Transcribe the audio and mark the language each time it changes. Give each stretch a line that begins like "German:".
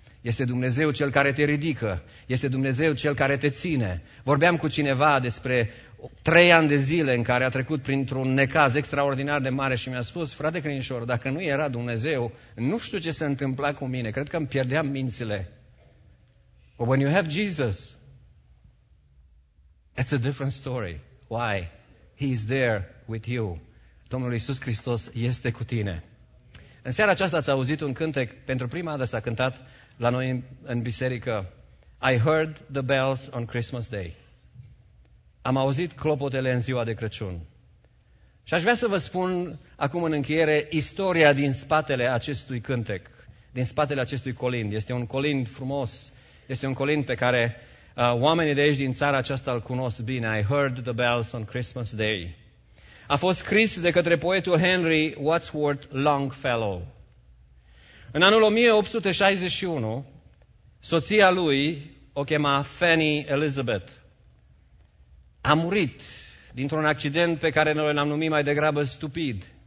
Romanian: Este Dumnezeu cel care te ridică, este Dumnezeu cel care te ține. Vorbeam cu cineva despre 3 ani de zile în care a trecut printr-un necaz extraordinar de mare și mi-a spus, frate Crinșor, dacă nu era Dumnezeu, nu știu ce se întâmpla cu mine, cred că îmi pierdeam mințile.
English: But when you have Jesus, it's a different story. Why? He is there with you.
Romanian: Domnul Iisus Hristos este cu tine. În seara aceasta ați auzit un cântec, pentru prima dată s-a cântat la noi în biserică,
English: I heard the bells on Christmas Day.
Romanian: Am auzit clopotele în ziua de Crăciun. Și aș vrea să vă spun acum în încheiere istoria din spatele acestui cântec, din spatele acestui colind. Este un colind frumos, este un colind pe care oamenii de aici din țara aceasta îl cunosc bine.
English: I heard the bells on Christmas Day.
Romanian: A fost scris de către poetul Henry Wadsworth Longfellow. În anul 1861, soția lui, o chema Fanny Elizabeth, a murit dintr-un accident pe care noi l-am numit mai degrabă stupid.